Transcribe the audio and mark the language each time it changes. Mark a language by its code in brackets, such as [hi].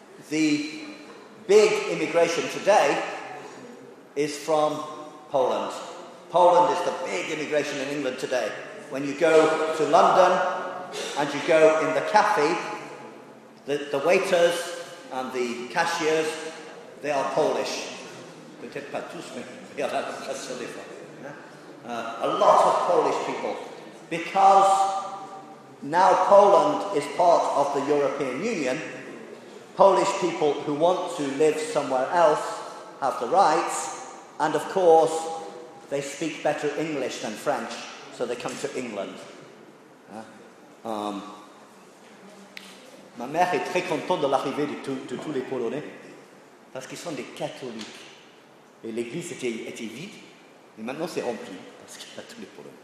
[en] The big immigration today is from Poland. Poland is the big immigration in England today. When you go to London and you go in the cafe, the waiters and the cashiers, they are Polish. [fr] Peut-être pas tous, mais il y en a qui se livrent. [en] A lot of Polish people. Because now Poland is part of the European Union, Polish people who want to live somewhere else have the rights, and of course, they speak better English than French, so they come to England. [fr] Ma mère est très contente de l'arrivée de tous les Polonais parce qu'ils sont des catholiques. Et l'église était vide et maintenant c'est rempli parce qu'il y a tous les Polonais.